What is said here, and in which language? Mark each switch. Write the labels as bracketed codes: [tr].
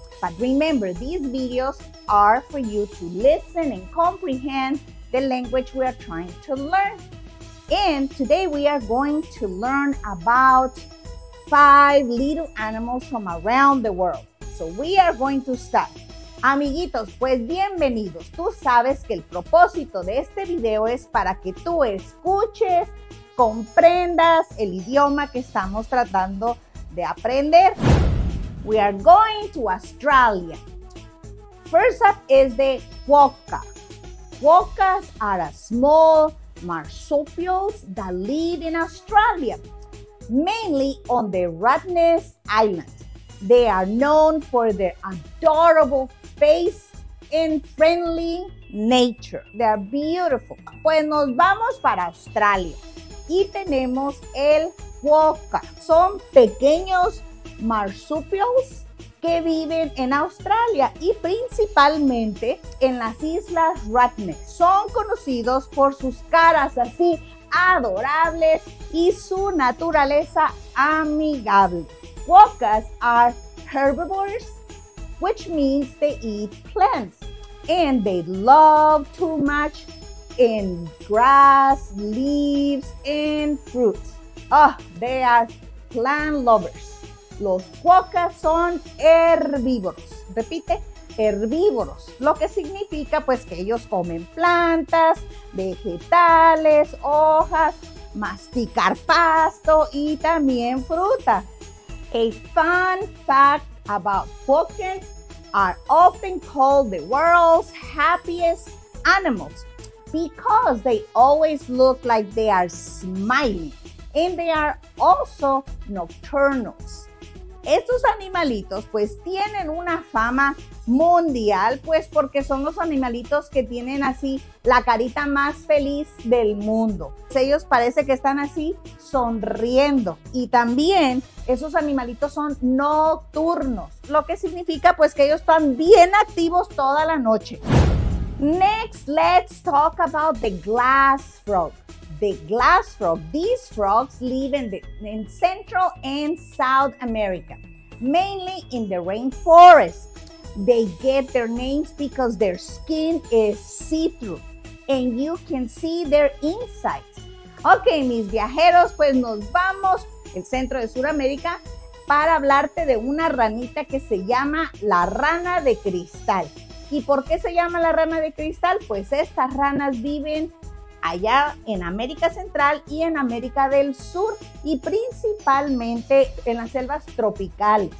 [en] But remember, these videos are for you to listen and comprehend the language we are trying to learn. And today we are going to learn about five little animals from around the world. So we are going to start. [es] Amiguitos, pues bienvenidos. Tú sabes que el propósito de este video es para que tú escuches, comprendas el idioma que estamos tratando de aprender. [en] We are going to Australia. First up is the quokka. Quokkas are a small marsupials that live in Australia, mainly on the Rottnest Island. They are known for their adorable face and friendly nature. They are beautiful. [es] Pues nos vamos para Australia y tenemos el quokka. Son pequeños marsupials que viven en Australia y principalmente en las islas Rottnest. Son conocidos por sus caras así adorables y su naturaleza amigable. [en] Quokkas are herbivores, which means they eat plants, and they love to munch in grass, leaves, and fruits. Oh, they are plant lovers. [es] Los quokkas son herbívoros. Repite, herbívoros. Lo que significa, pues, que ellos comen plantas, vegetales, hojas, masticar pasto y también fruta. [en] A fun fact about quokkas are often called the world's happiest animals because they always look like they are smiling and they are also nocturnals. [es] Estos animalitos pues tienen una fama mundial pues porque son los animalitos que tienen así la carita más feliz del mundo. Ellos parece que están así sonriendo y también esos animalitos son nocturnos, lo que significa pues que ellos están bien activos toda la noche. [en] Next, let's talk about the glass frog. The glass frog, these frogs live in Central and South America, mainly in the rainforest. They get their names because their skin is see-through and you can see their insides. [es] Ok, mis viajeros, pues nos vamos al centro de Sudamérica para hablarte de una ranita que se llama la rana de cristal. ¿Y por qué se llama la rana de cristal? Pues estas ranas viven allá en América Central y en América del Sur y principalmente en las selvas tropicales.